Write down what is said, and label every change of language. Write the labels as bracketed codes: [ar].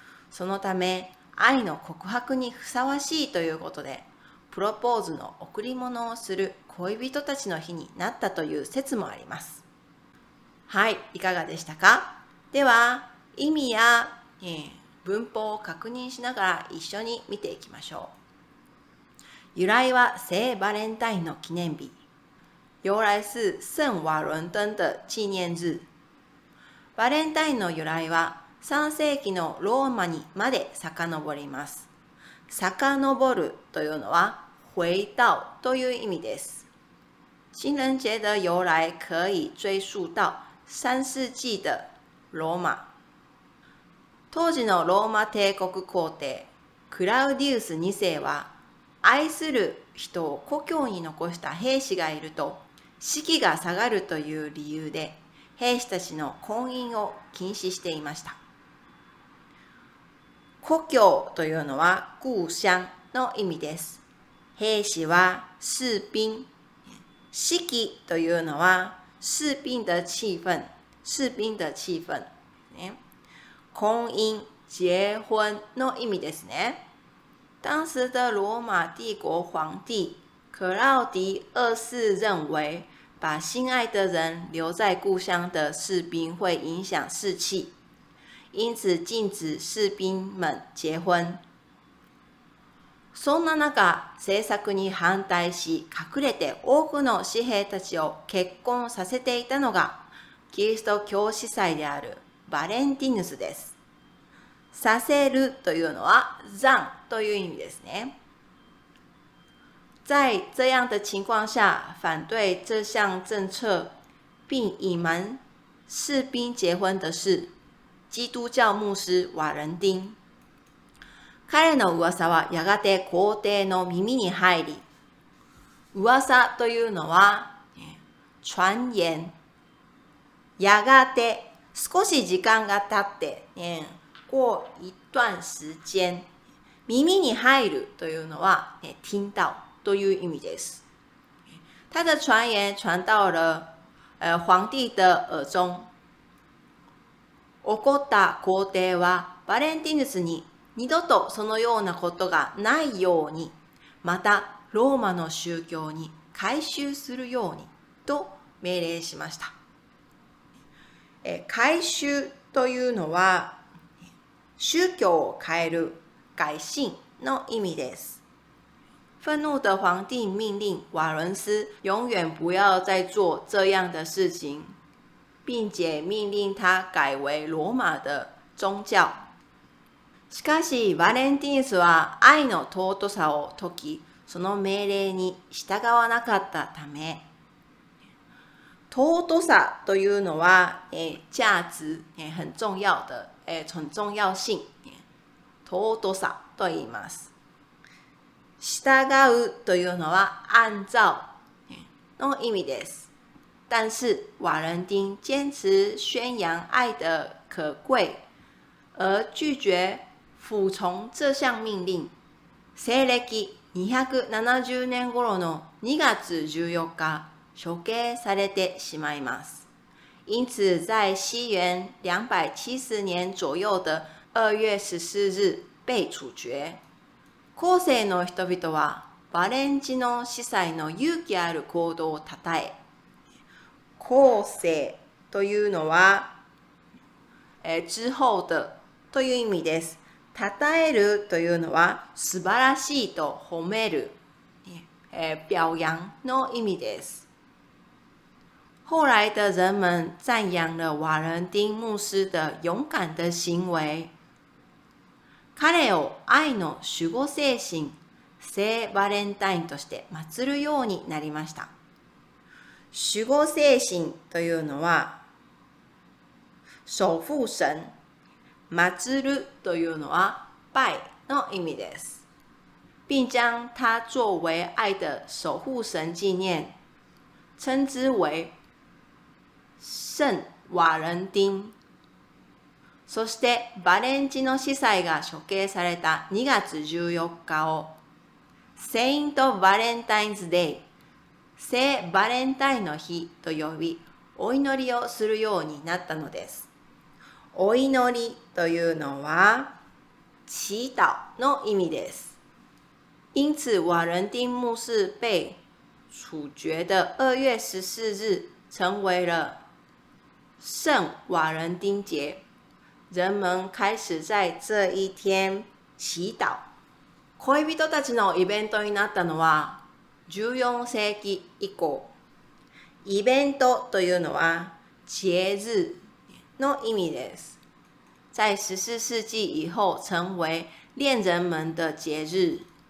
[ja] そのため愛の告白にふさわしいということで、プロポーズの贈り物をする恋人たちの日になったという説もあります。はい、いかがでしたか。では意味や、文法を確認しながら一緒に見ていきましょう。由来は聖バレンタインの記念日。 [zh] 由来是圣瓦伦登的纪念日。 [ja] バレンタインの由来は3世紀のローマにまで遡ります。遡るというのは回到という意味です。 [zh] 情人节的由来可以追溯到3世紀的ローマ。 [ja] 当時のローマ帝国皇帝クラウディウス2世は、愛する人を故郷に残した兵士がいると士気が下がるという理由で兵士たちの婚姻を禁止していました。故郷というのは故乡の意味です。兵士は士兵、士気というのは [zh] 士兵的气氛、士兵的气氛、 [ja] 婚姻、结婚の意味ですね。 [zh] 当时的罗马帝国皇帝克劳迪二世认为，把心爱的人留在故乡的士兵会影响士气，因此禁止士兵们结婚。 [ja] そんな中、政策に反対し隠れて多くの士兵たちを結婚させていたのがキリスト教司祭であるバレンティヌスです。させるというのは、斬という意味ですね。 [zh] 在这样的情况下，反对这项政策并隐瞒士兵结婚的是基督教牧师瓦伦丁。 [ja] 彼の噂はやがて皇帝の耳に入り、噂というのは传言。やがて、少し時間が経って、 [zh] 过一段时间。 [ja] 耳に入るというのは听到という意味です。 [zh] 他的传言传到了皇帝的耳中。 [ja] 起こった皇帝はバレンティヌスに二度とそのようなことがないように、またローマの宗教に改宗するようにと命令しました。改宗というのは宗教を変える改信の意味です。 [zh] 憤怒的皇帝命令瓦伦斯永远不要再做这样的事情，并且命令他改为罗马的宗教。 [ja] しかし、ヴァレンティヌスは愛の尊さを説き、その命令に従わなかったため、尊さというのは、 [zh] 价值、很重要的、很重要性、 [ja] 尊さと言います。従うというのは、按照の意味です。 [zh] 但是、瓦伦丁坚持宣扬愛的可贵、而拒绝服从这项命令。 [ja] 西暦270年頃の2月14日、処刑されてしまいます。 [zh] 因此在西元270年左右的2月14日、被处决。 [ja] 後世の人々は、ヴァレンティヌス司祭の勇気ある行動を称え。後世というのは、之後的という意味です。讃えるというのは素晴らしいと褒める、表扬の意味です。 [zh] 后来的人们赞扬了瓦伦丁牧师的勇敢的行为。 [ja] 彼を愛の守護精神、聖バレンタインとして祀るようになりました。守護精神というのは、守護神、祭るというのは拜の意味です。 [zh] 并将他作为愛的守護神紀念、称之为聖瓦伦丁。 [ja] そしてバレンティヌス司祭が処刑された2月14日を Saint Valentine's Day、聖バレンタインの日と呼び、お祈りをするようになったのです。お祈りというのは、祈祷の意味です。 [zh] 因此、瓦伦丁牧师被处决的2月14日、成为了圣瓦伦丁节。人们开始在这一天祈祷。 [ja] 恋人たちのイベントになったのは、14世紀以降。イベントというのは、节日の意味です。 [zh] 在14世紀以後成為戀人們的節日。